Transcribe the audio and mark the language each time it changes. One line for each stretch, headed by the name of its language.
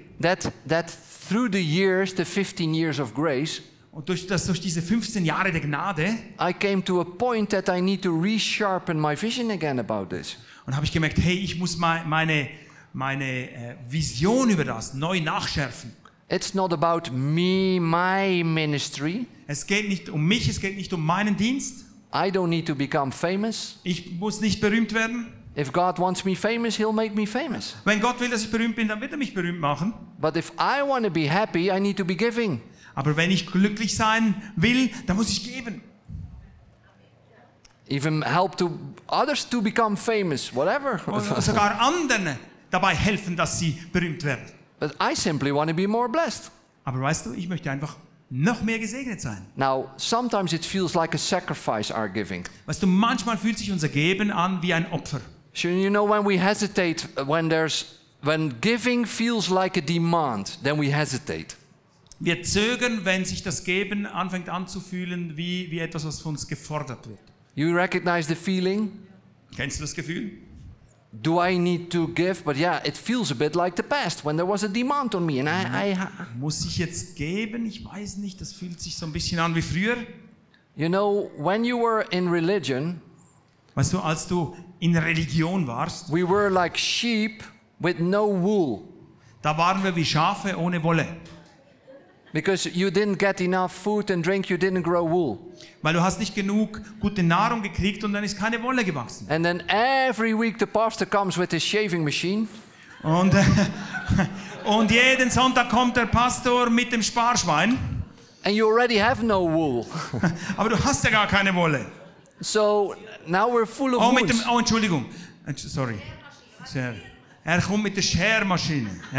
English: that through the years, the 15 years of grace,
German: und durch diese 15 Jahre der Gnade,
English: I came to a point that I need to resharpen my vision again about this.
German: Und habe ich gemerkt, hey, ich muss meine Vision über das neu nachschärfen.
English: It's not about me, my ministry.
German: Es geht nicht um mich, es geht nicht um meinen Dienst.
English: I don't need to become famous.
German: Ich muss nicht berühmt werden.
English: If God wants me famous, He'll make me famous.
German: Wenn Gott will, dass ich berühmt bin, dann wird mich berühmt machen.
English: But if I want to be happy, I need to be giving.
German: Aber wenn ich glücklich sein will, dann muss ich geben.
English: Even help to others to become famous, whatever.
German: Und sogar anderen dabei helfen, dass sie berühmt werden.
English: But I simply want to be more blessed.
German: Aber weißt du, ich möchte einfach noch mehr gesegnet sein.
English: Now, sometimes it feels like a sacrifice, our giving.
German: Weißt du, manchmal fühlt sich unser Geben an wie ein Opfer.
English: So you know when we hesitate, when giving feels like a demand, then we hesitate.
German: Wir zögern, wenn sich das Geben anfängt anzufühlen wie etwas, was von uns gefordert wird.
English: You recognize the feeling?
German: Kennst du das Gefühl?
English: Do I need to give? But yeah, it feels a bit like the past when there was a demand on me. And
German: muss ich jetzt geben? Ich weiß nicht. Das fühlt sich so ein bisschen an wie früher.
English: You know, when you were in religion,
German: weißt du, als du in Religion warst,
English: we were like sheep with no wool.
German: Da waren wir wie Schafe ohne Wolle.
English: Because you didn't get enough food and drink, you didn't grow wool.
German: Weil du hast nicht genug gute Nahrung gekriegt und dann ist keine Wolle gewachsen.
English: And then every week the pastor comes with his shaving machine.
German: Und jeden Sonntag kommt der Pastor mit dem Sparschwein.
English: And you already have no wool.
German: Aber du hast ja gar keine Wolle.
English: So now we're full of wool.
German: Entschuldigung.
English: Sorry.
German: Er kommt mit der Schermaschine.